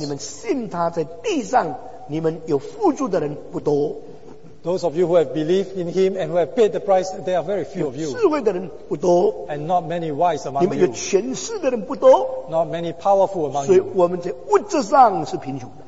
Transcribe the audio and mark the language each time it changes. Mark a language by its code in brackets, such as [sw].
[zh] 你们信他在地上，你们有付出的人不多。 [en] Those of you who have believed in him and who have paid the price, there are very few of you. [zh] 智慧的人不多, [en] and not many wise among you. [zh] 你们有权势的人不多, [en] not many powerful among you. [zh] 所以我们在物质上是贫穷的。